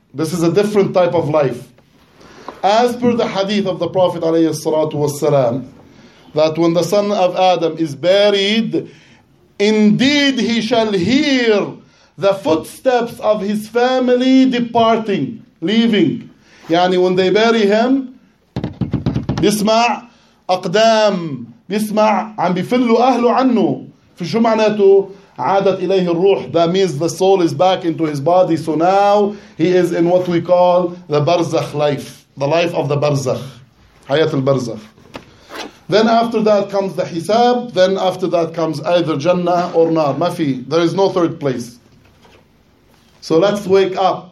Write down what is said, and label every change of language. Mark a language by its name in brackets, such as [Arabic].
[English] This is a different type of life. As per the hadith of the Prophet ﷺ, that when the son of Adam is buried, indeed he shall hear the footsteps of his family departing, leaving. [Arabic] يعني [English] when they bury him, [Arabic] بسمع أقدام بسمع عم بفلوا أهله عنه. في شو معناته؟ عادت إليه الروح. [English] That means the soul is back into his body. So now he is in what we call the barzakh life. The life of the barzakh. [Arabic] حياة البرزخ. [English] Then after that comes the حساب. Then after that comes either Jannah or Nar. [Arabic] ما في. [English] There is no third place. So let's wake up.